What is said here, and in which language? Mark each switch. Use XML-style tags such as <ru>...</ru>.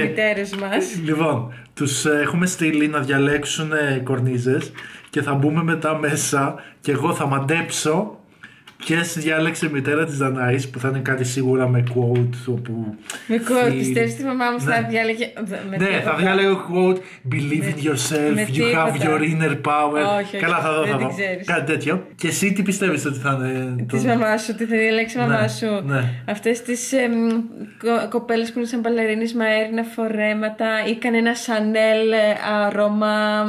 <el>μητέρες μας. Λοιπόν, τους έχουμε στείλει να διαλέξουν κορνίζες και θα μπούμε μετά μέσα και εγώ θα μαντέψω Και διάλεξε μητέρα της Δανάης, που θα είναι κάτι σίγουρα με quote. Όπου με quote, πιστεύεις τη μαμά μου, ναι. Θα διάλεγε. Ναι, τίποτα. Θα διάλεγε</el> <en>quote, believe in yourself, you have your inner power.</en> <el>Όχι, καλά, όχι, θα δω, δεν θα την πω. Ξέρεις. Κάτι τέτοιο. Και εσύ τι πιστεύεις ότι θα είναι. Τη το... μαμά σου, ότι θα διαλέξει η μαμά σου. Ναι. Αυτές τις κοπέλες που είναι σαν μπαλερίνες με αέρινα φορέματα ή κανένα σανέλ αρώμα.</el>